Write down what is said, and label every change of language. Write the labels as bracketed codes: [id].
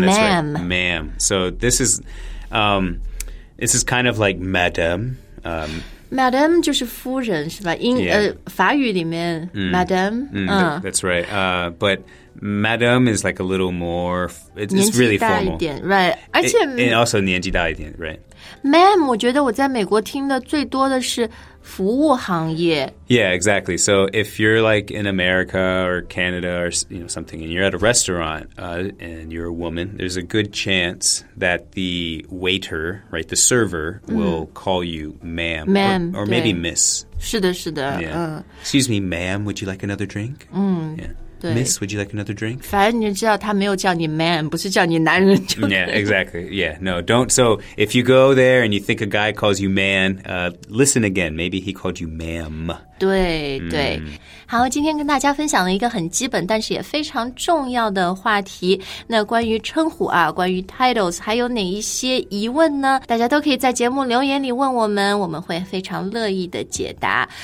[en] That's right, ma'am. So this is kind of like madam. [zh] Madam 就是夫人是吧？法语里面 madam. [en] That's right. But madam is like a little more, it's really formal. [zh] 年纪大一点 right. 而且 [en] and also [zh] 年纪大一点 right. Ma'am, 我觉得我在美国听的最多的是服务行业 [en] Yeah, exactly. So if you're like in America or Canada or you know, something and you're at a restaurant and you're a woman, there's a good chance that the waiter, right, the server will call you ma'am. Ma'am. Or maybe miss. [zh] 是的是的、 [en] Excuse me, ma'am, would you like another drink? Miss, would you like another drink? [zh] 反正你知道他没有叫你 man, 不是叫你男人就 [en] Yeah, exactly. Yeah, no, don't. So if you go there and you think a guy calls you man, listen again. Maybe he called you ma'am. [zh] 对对。好，今天跟大家分享了一个很基本但是也非常重要的话题。那关于称呼啊，关于 titles, 还有哪一些疑问呢？大家都可以在节目留言里问我们，我们会非常乐意的解答。